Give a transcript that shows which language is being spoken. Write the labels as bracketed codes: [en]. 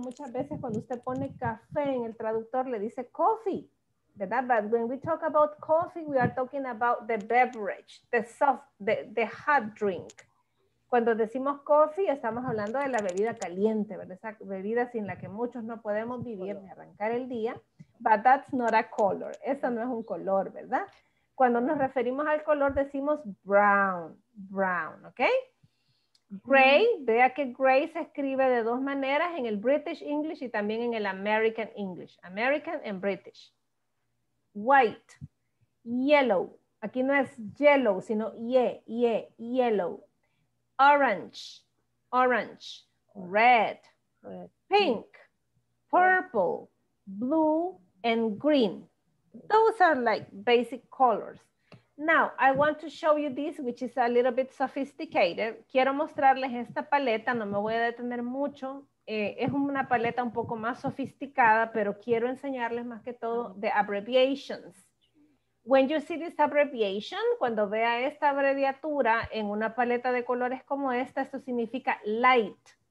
[es] Muchas veces cuando usted pone café en el traductor le dice coffee, ¿verdad? [en] But when we talk about coffee, we are talking about the beverage, the hot drink. [es] Cuando decimos coffee, estamos hablando de la bebida caliente, ¿verdad? Esa bebida sin la que muchos no podemos vivir ni arrancar el día. [en] But that's not a color. [es] Eso no es un color, ¿verdad? Cuando nos referimos al color, decimos brown, ¿ok? Gray, vea que gray se escribe de dos maneras, en el British English y también en el American English. [en] American and British. White, yellow, [es] aquí no es [en] yellow, [es] sino [en] yellow. Orange, red, pink, purple, blue, and green. Those are like basic colors. Now, I want to show you this, which is a little bit sophisticated. [es] Quiero mostrarles esta paleta, no me voy a detener mucho. Es una paleta un poco más sofisticada, pero quiero enseñarles más que todo [en] the abbreviations. When you see this abbreviation, [es] cuando vea esta abreviatura en una paleta de colores como esta, esto significa light.